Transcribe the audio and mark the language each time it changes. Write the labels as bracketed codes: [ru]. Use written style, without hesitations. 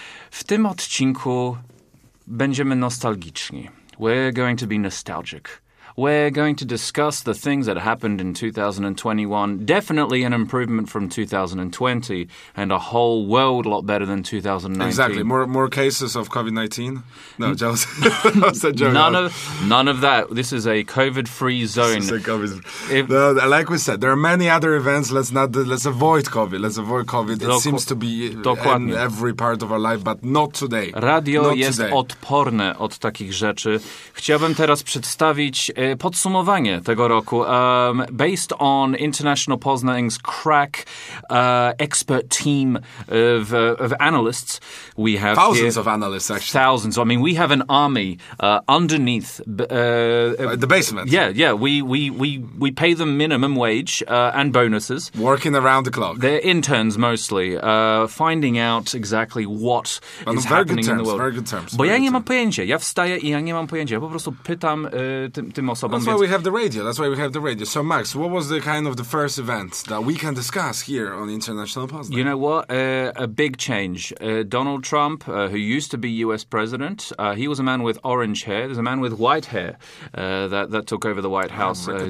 [pl] W tym odcinku będziemy nostalgiczni. [en] We're going to be nostalgic. We're going to discuss the things that happened in 2021. Definitely an improvement from 2020 and a whole world a lot better than 2019. Exactly. More cases of COVID-19? No, jealous. That's a joke. None of that. This is a COVID-free zone. Like we said, there are many other events. Let's avoid COVID. It seems to be in every part of our life, but not today. [pl] Odporne od takich rzeczy. Chciałbym teraz przedstawić podsumowanie tego roku. [en] Based on International Poznań's crack expert team of analysts, we have thousands of analysts, actually. Thousands. I mean, we have an army underneath the basement. Yeah. We pay them minimum wage and bonuses. Working around the clock. They're interns mostly, finding out exactly what is happening in the world. Very good terms. [pl] Bo ja nie mam pojęcia. Ja wstaję i ja nie mam pojęcia. Po prostu pytam tym osobom. [en] That's why we have the radio. So, Max, what was the kind of the first event that we can discuss here on International Poznań? You know what? A big change. Donald Trump, who used to be U.S. president, he was a man with orange hair. There's a man with white hair that took over the White House.